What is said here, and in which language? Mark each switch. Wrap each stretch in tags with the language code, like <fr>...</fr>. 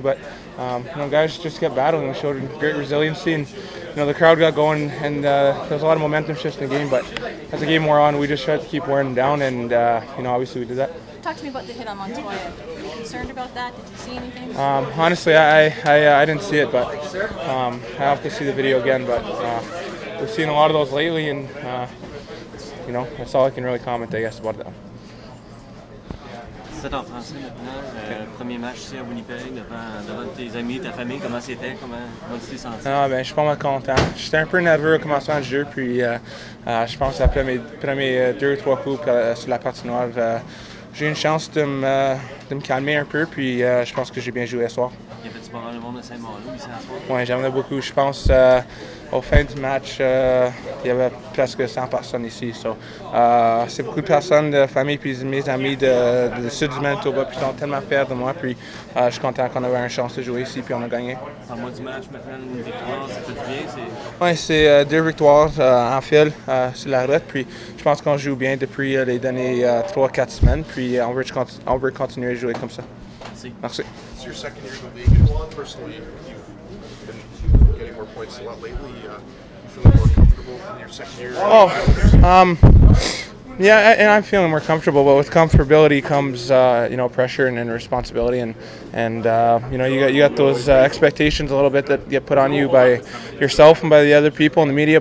<en>But guys just kept battling. We showed great resiliency, and the crowd got going, and there was a lot of momentum shifts in the game. But as the game wore on, we just tried to keep wearing them down, and obviously we did that. Talk to me about the hit on Montoya. Were you concerned about that? Did you see anything? Honestly, I didn't see it, but I have to see the video again. But we've seen a lot of those lately, and that's all I can really comment, I guess, about that.</en> <fr>Ça t'en français maintenant, premier match ici à Winnipeg devant tes amis, ta famille, comment c'était, comment tu t'es senti? Ah ben, je suis pas mal content. J'étais un peu nerveux au commencement du jeu, puis je pense après mes premiers deux ou trois coups sur la patinoire, j'ai eu une chance de me calmer un peu, puis je pense que j'ai bien joué ce soir. Il y avait-tu pas mal de monde à Saint-Malo ici ce soir? Oui, j'aimerais beaucoup. Je pense au fin du match, il y avait presque 100 personnes ici. So, c'est beaucoup de personnes, de famille, puis mes amis de sud du Manitoba, puis ils sont tellement fiers de moi. Puis je suis content qu'on ait une chance de jouer ici, puis on a gagné. Parle-moi du match maintenant, une victoire, c'est tout bien? Oui, c'est deux victoires en fil sur la route. Puis je pense qu'on joue bien depuis les dernières 3-4 semaines. Puis on veut continuer à jouer comme ça. Merci.</fr> <en>It's your second year in the league. Well, personally, you've been getting more points a lot lately. You feeling more comfortable in your second year? Yeah, and I'm feeling more comfortable, but with comfortability comes, pressure and responsibility. And you got those expectations a little bit that get put on you by yourself and by the other people in the media.</en>